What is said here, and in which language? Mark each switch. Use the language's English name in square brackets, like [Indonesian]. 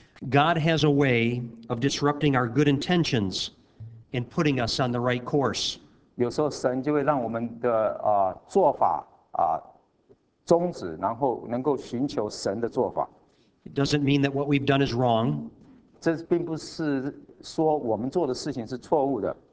[English] God has a way of disrupting our good intentions and putting us on the right course. [Chinese] 有时候神就会让我们的做法终止，然后能够寻求神的做法。 [English] It doesn't mean that what we've done is wrong. [Chinese] 这并不是说我们做的事情是错误的。